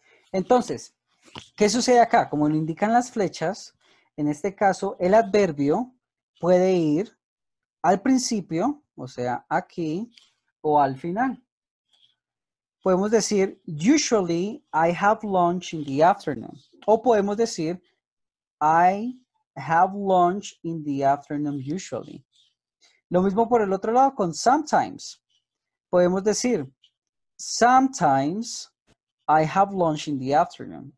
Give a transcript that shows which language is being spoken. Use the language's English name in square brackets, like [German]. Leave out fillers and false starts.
[Spanish] Entonces, ¿qué sucede acá? Como lo indican las flechas, en este caso, el adverbio puede ir al principio, o sea, aquí, o al final. Podemos decir, [English] usually I have lunch in the afternoon. [Spanish] O podemos decir, [English] I have lunch in the afternoon usually. [Spanish] Lo mismo por el otro lado con sometimes. Podemos decir, [English] sometimes I have lunch in the afternoon.